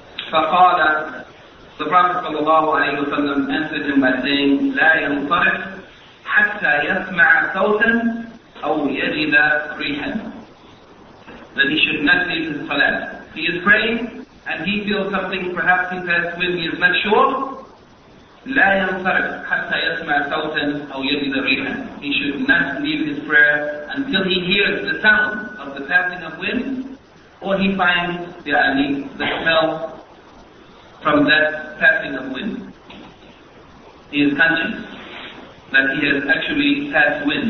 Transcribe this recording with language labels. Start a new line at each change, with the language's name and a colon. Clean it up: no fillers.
Arabic: فقال
English: the Prophet
Arabic: صلى الله عليه وسلم
English: answered him by saying
Arabic: لا ينصرف حتى يسمع صوتا أو يجد ريحا.
English: That he should not leave his salat. He is praying and he feels something, perhaps he has wind, he is not sure.
Arabic: لا ينصرف حتى يسمع صوتا أو يجد ريحا.
English: He should not leave his prayer until he hears the sound of the passing of wind or he finds the smell from that passing of wind. He is conscious that he has actually passed wind.